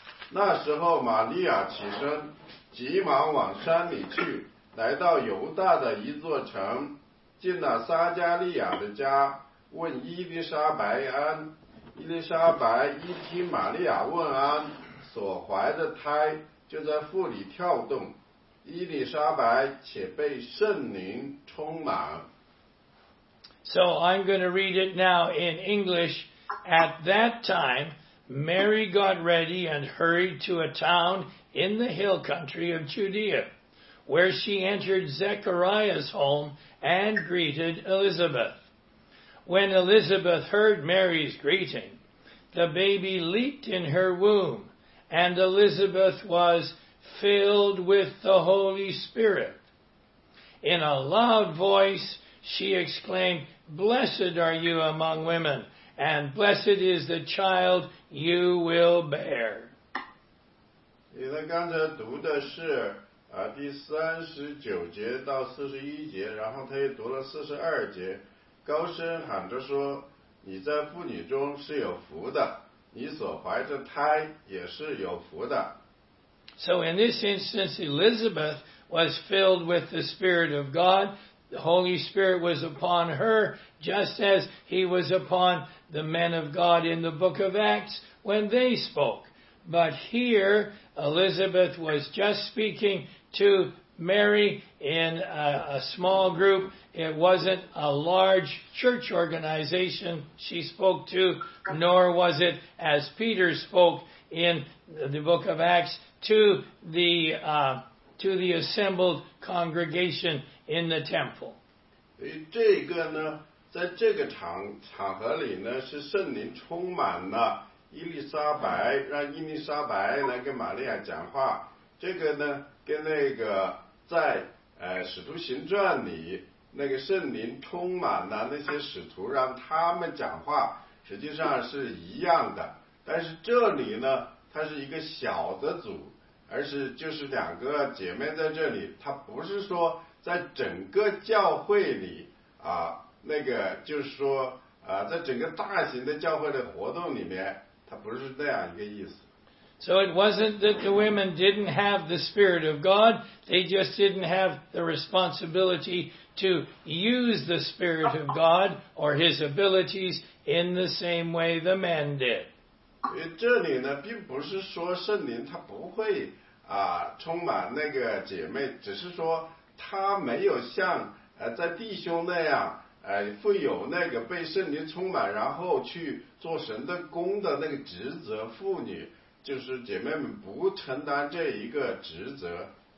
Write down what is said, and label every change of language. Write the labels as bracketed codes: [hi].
[zh] 那时候玛利亚起身急忙往山里去，来到犹大的一座城，进了撒加利亚的家，问伊丽莎白安。伊丽莎白一听玛利亚问安，所怀的胎就在腹里跳动，伊丽莎白且被圣灵充满。 [en] So I'm going to read it now in English. At that time, Mary got ready and hurried to a town in the hill country of Judea, where she entered Zechariah's home and greeted Elizabeth. When Elizabeth heard Mary's greeting, the baby leaped in her womb, and Elizabeth was filled with the Holy Spirit. In a loud voice, she exclaimed, "Blessed are you among women, and blessed is the child you will bear." [zh] 你的刚才读的是第39节到41节，然后他又读了42节。高声喊着说，你在妇女中是有福的，你所怀着胎也是有福的。 [en] So in this instance, Elizabeth was filled with the Spirit of God. The Holy Spirit was upon her, just as he was upon the men of God in the book of Acts when they spoke. But here, Elizabeth was just speaking to Mary in a small group. It wasn't a large church organization she spoke to, nor was it, as Peter spoke in the book of Acts, to the assembled congregation in the temple. [zh] 这个呢，在这个场合里呢，是圣灵充满了伊丽莎白，让伊丽莎白来跟玛利亚讲话。这个呢，跟那个在《使徒行传》里那个圣灵充满了那些使徒让他们讲话实际上是一样的，但是这里呢它是一个小的组，而是就是两个姐妹在这里，它不是说在整个教会里那个就是说在整个大型的教会的活动里面，它不是那样一个意思。 [en] So it wasn't that the women didn't have the Spirit of God, they just didn't have the responsibility to use the Spirit of God or His abilities in the same way the men did. [zh] 这里呢并不是说圣灵他不会充满那个姐妹，只是说他没有像在弟兄那样富有那个被圣灵充满然后去做神的工的那个职责，妇女就是姐妹们不承担这一个职责。